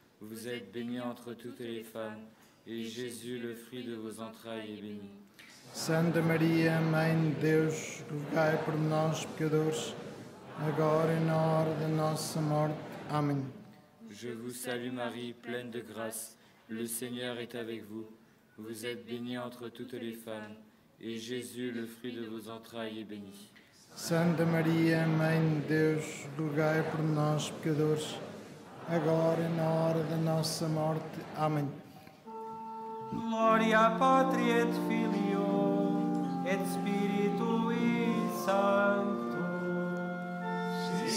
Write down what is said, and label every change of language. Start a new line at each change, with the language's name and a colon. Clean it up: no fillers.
French: Vous êtes bénie entre toutes les femmes, et Jésus, le fruit de vos entrailles, est béni.
Portuguese: Santa Maria, Mãe de Deus, rogai por nós, pecadores, agora e na hora da nossa morte. Amém.
French: Je vous salue, Marie, pleine de grâce. Le Seigneur est avec vous. Vous êtes bénie entre toutes les femmes, et Jésus, le fruit de vos entrailles, est béni.
Portuguese: Santa Maria, Mãe de Deus, rogai por nós, pecadores, agora e na hora da nossa morte. Amém.
Latin: Gloria Patri et Filio, et Spiritui Sancto.